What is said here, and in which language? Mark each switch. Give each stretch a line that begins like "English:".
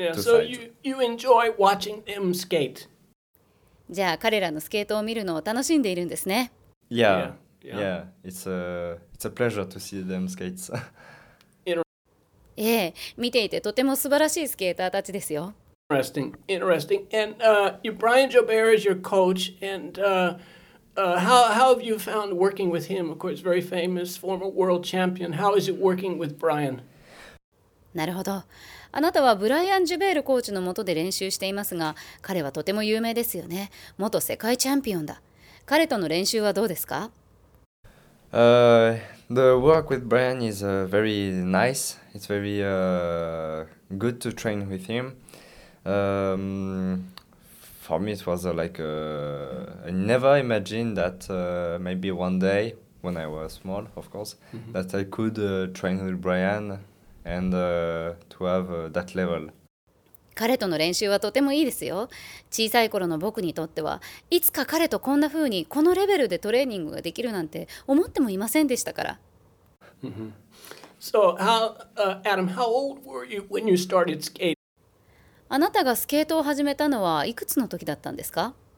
English: Yeah, so you enjoy watching them skate.
Japanese: じゃあ彼らのスケートを見るのを楽しんでいるんですね。
English: Yeah, yeah, yeah. It's a pleasure to see them skate.
Japanese: ええ、見ていてとても素晴らしいスケーターたちですよ。
English: Interesting. And Brian Jobert is your coach. And how have you found working with him? Of course, very famous former world champion. How is it working with Brian?
Japanese: なるほど。あなたはブライアン・ジュベールコーチの下で練習していますが、彼はとても有名ですよね。元世界チャンピオンだ。彼との練習はどうですか？
English: The work with Brian is very nice. It's very good to train with him. For me, it was I never imagined that maybe one day, when I was small, of course, that I could train with Brian and to have that level.
Japanese: 彼との練習はとてもいいですよ。小さい頃の僕にとっては、いつか彼とこんな風にこのレベルでトレーニングができるなんて思ってもいませんでしたから。
English: So, Adam, how old were you when you started skating?
Japanese: あなたがスケートを始めたのはいくつの時だったんですか？